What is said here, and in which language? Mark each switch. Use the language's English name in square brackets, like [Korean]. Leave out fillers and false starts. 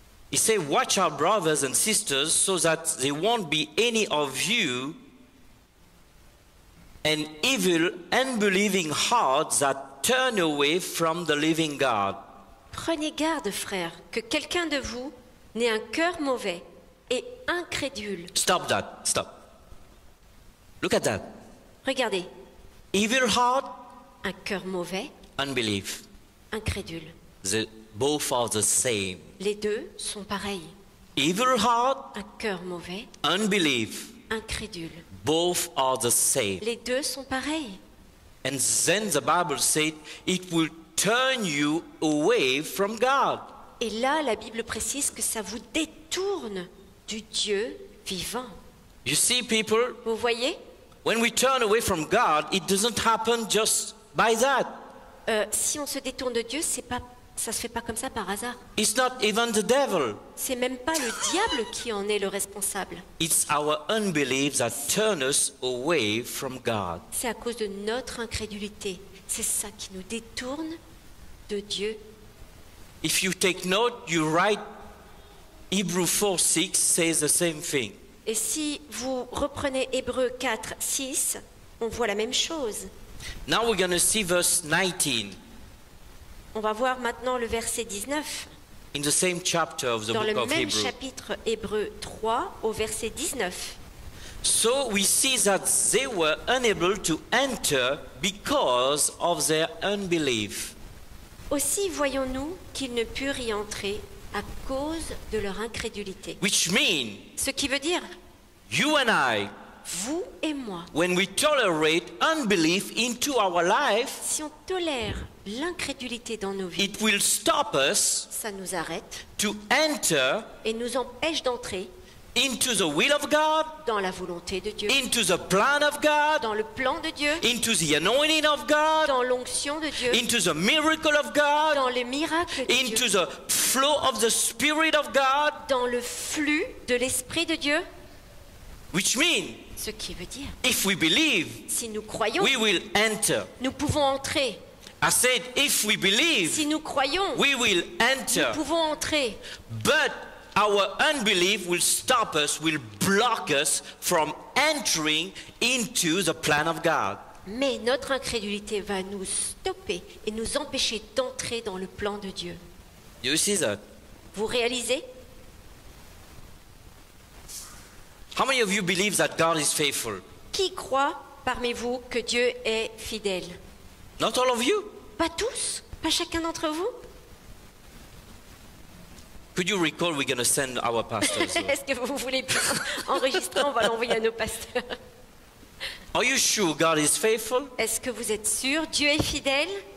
[English] He says, "Watch our brothers and sisters so that there won't be any of you an evil unbelieving heart that turn away from the living God." [French] Prenez garde, frère, que quelqu'un de vous n'ait un cœur mauvais et incrédule. [English] Stop that. Stop. Look at that. [French] Regardez. [English] Evil heart. [French] Un cœur mauvais. [English] Unbelief. [French] Incrédule. [English] Both are the same. [French] Les deux sont pareils. [English] Evil heart. [French] Un cœur mauvais. [English] Unbelief. [French] Incrédule. [English] Both are the same. [French] Les deux sont pareils. [English] And then the Bible said it will turn you away from God. [French] Et là, la Bible précise que ça vous détourne du Dieu vivant. [English] You see, people. [French] Vous voyez? [English] When we turn away from God, it doesn't happen just by that. [French] Si on se détourne de Dieu, c'est pas Ça se fait pas comme ça par hasard. [English] It's not even the devil. [French] C'est même pas le diable qui en est le responsable. [English] It's our unbelief that turns us away from God. [French] C'est à cause de notre incrédulité. C'est ça qui nous détourne de Dieu. [English] If you take note, you write Hebrews 4:6 says the same thing. [French] Et si vous reprenez Hébreux 4, 6, on voit la même chose. [English] Now we're going to see verse 19. [French] On va voir maintenant le verset 19. [English] In the same chapter of the [French] Dans [English] book [French] le [English] of [French] même [English] Hebrew. [French] Chapitre Hébreux 3, au verset 19. [English] So we see that they were unable to enter because of their unbelief. [French] Aussi voyons-nous qu'ils ne purent y entrer à cause de leur incrédulité. [English] Which mean, [French] ce qui veut dire, [English] you and I, [French] vous et moi, [English] when we tolerate unbelief into our life, [French] si on tolère l'incrédulité dans nos vies, [English] it will stop us, [French] ça nous arrête, [English] to enter, [French] et nous empêche d'entrer, [English] into the will of God, [French] dans la volonté de Dieu, [English] into the plan of God, [French] dans le plan de Dieu, [English] into the anointing of God, [French] dans l'onction de Dieu, [English] into the miracle of God, [French] dans les miracles de [English] into [French] Dieu, [English] into the flow of the Spirit of God, [French] dans le flux de l'Esprit de Dieu. [English] Which means, [French] ce qui veut dire, [English] if we believe, [French] si nous croyons, [English] we will enter. [French] Nous pouvons entrer. [English] I said, if we believe, [French] si nous croyons, [English] we will enter. [French] Nous pouvons entrer. [English] But our unbelief will stop us, will block us from entering into the plan of God. [French] Mais notre incrédulité va nous stopper et nous empêcher d'entrer dans le plan de Dieu. [English] You see that? [French] Vous réalisez? [English] How many of you believe that God is faithful? [French] Qui croit parmi vous que Dieu est fidèle? [English] Not all of you? [French] Pas tous, pas chacun d'entre vous? [English] Could you recall we're going to send our pastors? [French] Est-ce que vous voulez enregistrer, on va l'envoyer à nos pasteurs. [English] Are you sure God is faithful? [French] Est-ce que vous êtes sûr Dieu est fidèle?